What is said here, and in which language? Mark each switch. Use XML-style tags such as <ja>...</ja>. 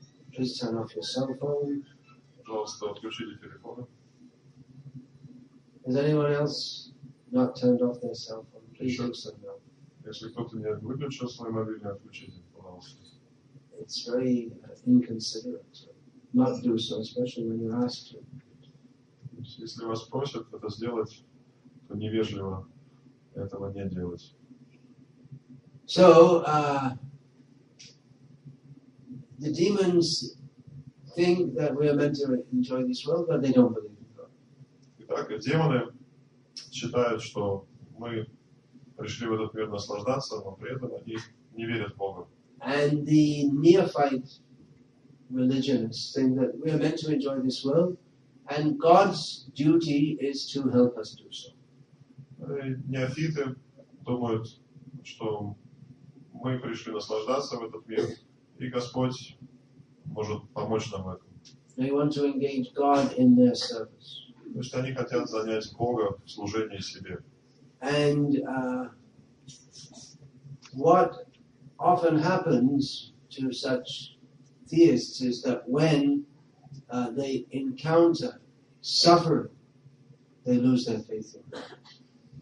<en>Please turn off your cell phone.</en> <ru>Пожалуйста, отключите телефон.</ru> <en>Has anyone else not turned off their cell phone? Please do so now.</en> <ru>Если кто-то не выключил свой мобильный, отключите, пожалуйста.</ru> <en>It's very inconsiderate to not do so, especially when you're asked to.</en> <ru>Если вас просят это сделать, то невежливо этого не делать.</ru> <en>So, the demons think that we are meant to enjoy this world, but they don't believe in God.</en> <ru>Итак, демоны считают, что мы пришли в этот мир наслаждаться, но при этом они не верят в Бога.</ru> <en>And the neophyte religionists think that we are meant to enjoy this world, and God's duty is to help us do so.</en> <ru>Неофиты думают, что мы пришли наслаждаться в этот мир, и Господь может помочь нам в этом.</ru> <en>They want to engage God in their service.</en> <ru>То есть они хотят занять Бога в служении себе.</ru> <en>And what often happens to such theists is that when they encounter suffering, they lose their faith in God.</en>